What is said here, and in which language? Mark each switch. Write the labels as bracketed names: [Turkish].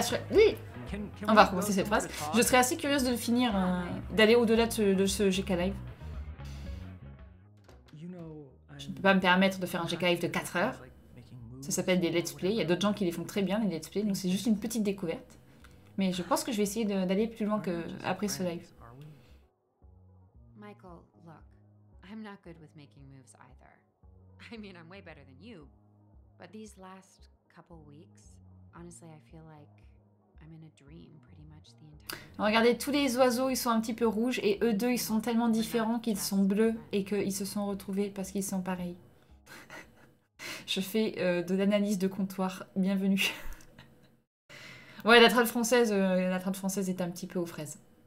[French] Oui. On va recommencer cette phrase. Je serais assez curieuse de finir, d'aller au-delà de ce GK Live. Je ne peux pas me permettre de faire un GK Live de 4 heures. Ça s'appelle des let's play. Il y a d'autres gens qui les font très bien, les let's play. Donc c'est juste une petite découverte. Mais je pense que je vais essayer d'aller plus loin que après ce live. [English] Michael, look, I'm not good with making moves either. I mean, I'm way better than you, but these last couple weeks, honestly, I feel like I'm in a dream pretty much the entire time. [French] Regardez, tous les oiseaux, ils sont un petit peu rouges et eux deux, ils sont tellement différents qu'ils sont bleus et qu'ils se sont retrouvés parce qu'ils sont pareils. Je fais de l'analyse de comptoir. Bienvenue. Ouais, la trad française est un petit peu aux fraises.